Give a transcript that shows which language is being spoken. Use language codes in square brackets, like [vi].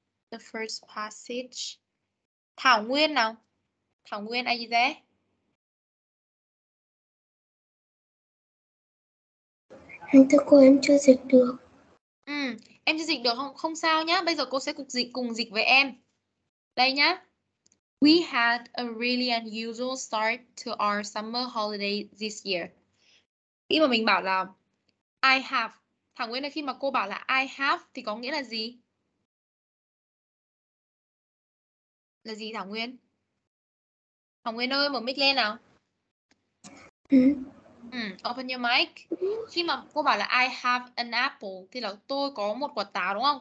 [en] The first passage. Thảo Nguyên nào? Thảo Nguyên, are you there? [vi] Anh thưa cô, em chưa dịch được. Ừ, em chưa dịch được không? Không sao nhá. Bây giờ cô sẽ cùng dịch với em. Đây nhá. [en] We had a really unusual start to our summer holiday this year. [vi] Khi mà mình bảo là I have. Thảo Nguyên là khi mà cô bảo là I have thì có nghĩa là gì? Là gì Thảo Nguyên? Thảo Nguyên ơi, mở mic lên nào. [en] Open your mic. [vi] Khi mà cô bảo là [en] I have an apple [vi] thì là tôi có một quả táo đúng không?